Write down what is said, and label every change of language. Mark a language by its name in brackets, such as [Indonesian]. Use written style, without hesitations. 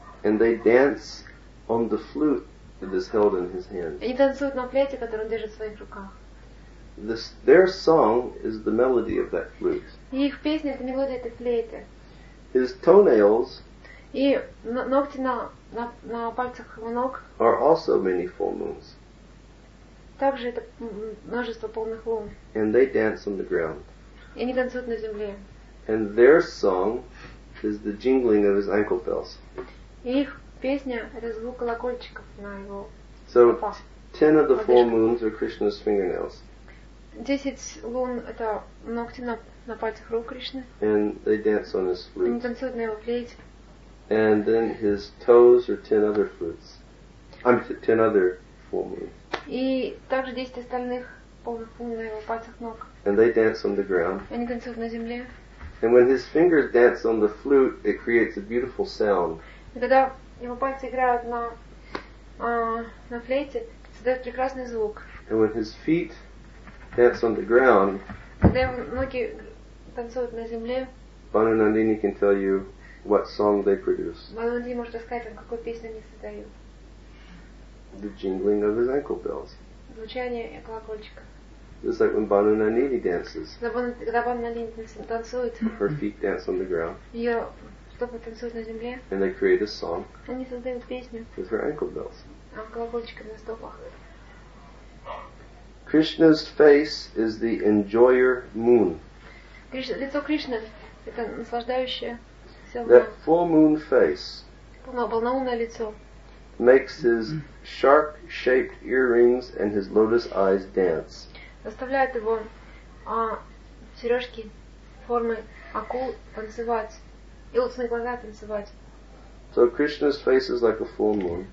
[English] And they dance on the flute that is held in his hands. [Russian] Они танцуют на флейте, которую он держит в своих руках. [English] their song is the melody of that flute. [Russian] И их песня — это мелодия этой флейты. [English] His toenails. [Russian] И ногти на пальцах его ног. [English] Are also many full moons. [Russian] Также это множество полных лун. [English] And they dance on the ground. [Russian] И они танцуют на земле. [English] And their song is the jingling of his ankle bells. [Russian] И их песня — это звук колокольчиков на его ногах. [English] So 10 of the full moons are Krishna's fingernails. [Russian] 10 лун — это ногти на пальцах рук Кришны. [English] And they dance on his flute. [Russian] Они танцуют на его флейте. [English] And then his toes are 10 other flutes. I mean, 10 other full moons. [Russian] И также 10 остальных полных лун на его пальцах ног. [English] And they dance on the ground. [Russian] Они танцуют на земле. [English] And when his fingers dance on the flute, it creates a beautiful sound. [Russian] И когда его пальцы играют на флейте, создает прекрасный звук. [English] And when his feet dance on the ground, [Russian] когда его ноги танцуют на земле, [English] Bhanu Nandini can tell you what song they produce. [Russian] Bhanu Nandini может рассказать вам, какую песню они создают. [English] The jingling of his ankle bells. [Russian] Звучание колокольчика. [English] Just like when Bhanu Nandini dances. [Russian] Когда Bhanu Nandini танцует, [English] her feet dance on the ground. [Russian] Ее стопы танцуют на земле. [English] And they create a song. [Russian] Они создают песню. [English] With her ankle bells. [Russian] А колокольчик на стопах. [English] Krishna's face is the enjoyer moon. [Russian] Лицо Кришны — это наслаждающее. [English] That full moon face. [Russian] Полнолуное лицо. [English] Makes his shark-shaped earrings and his lotus eyes dance. [Russian] Заставляет его сережки формы акул танцевать и лучные глаза танцевать. [English] So Krishna's face is like a full moon.